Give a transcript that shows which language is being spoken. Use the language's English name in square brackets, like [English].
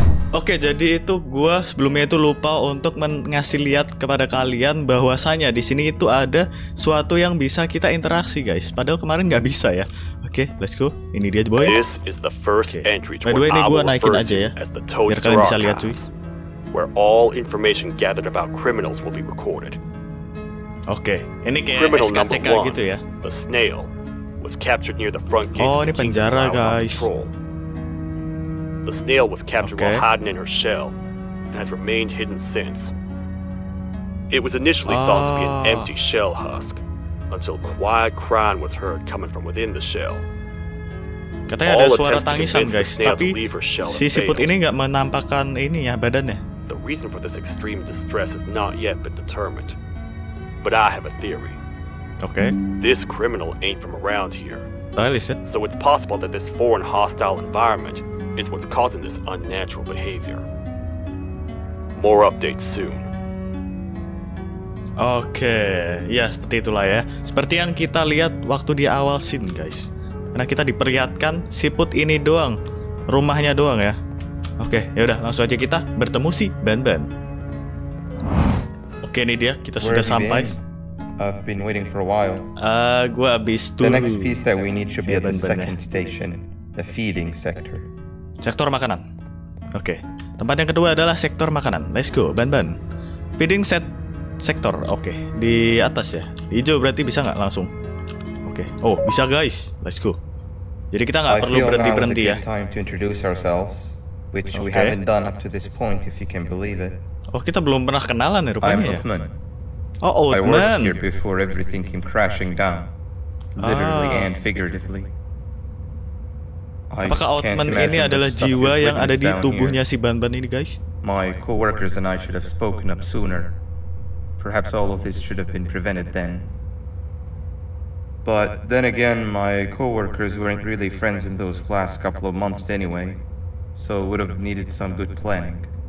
[Indonesian] Oke, jadi itu gua sebelumnya itu lupa untuk ngasih lihat kepada kalian bahwasanya di sini itu ada suatu yang bisa kita interaksi guys. Padahal kemarin nggak bisa ya. Oke, let's go. Ini dia boy. [English] This is the first entry. [Indonesian] By the way, ini gua naikin aja ya. Biar kalian bisa lihat cuy. [English] Where all information gathered about criminals will be recorded. [Indonesian] Oke, ini kayak SKCK gitu ya. [English] The snail was captured near the front gate. [Indonesian] Oh, ini penjara guys. [English] The snail was captured while hiding in her shell, and has remained hidden since. It was initially thought to be an empty shell husk, until quiet crying was heard coming from within the shell. [Indonesian] Katanya ada suara tangisan, guys. Tapi si siput ini nggak menampakkan ini ya badannya. [English] The reason for this extreme distress has not yet been determined, but I have a theory. Okay. This criminal ain't from around here. I listen. So it's possible that this foreign hostile environment is what's causing this unnatural behavior. More updates soon. [Indonesian] Oke, ya seperti itulah ya. Seperti yang kita lihat waktu di awal scene, guys. Karena kita diperlihatkan siput ini doang, rumahnya doang ya. Oke, ya udah langsung aja kita bertemu si Benben. Oke, ini dia, kita sudah sampai. [English] I've been waiting for a while. [Indonesian] Gua habis tuh. [English] The next piece that we need should be at the second station, the feeding sector. [Indonesian] Sektor makanan. Oke. Okay. Tempat yang kedua adalah sektor makanan. Let's go, Benben. Feeding set sektor. Oke. Okay. Di atas ya. Hijau berarti bisa nggak langsung? Oke. Okay. Oh, bisa guys. Let's go. Jadi kita nggak perlu berhenti-berhenti ya. [English] Time to introduce ourselves, which we haven't done up to this point, if you can believe it. [Indonesian] Oh, kita belum pernah kenalan ya rupanya. [English] I'm Othman. Oh, Othman. I worked here before everything came crashing down, literally and figuratively. [Indonesian] Apakah Othman ini adalah jiwa yang ada di tubuhnya si Benben ini, guys? [English] My coworkers and I should have spoken up sooner. Perhaps all of this should have been prevented then. But then again, my coworkers weren't really friends in those last couple of months anyway, so it would have needed some good planning.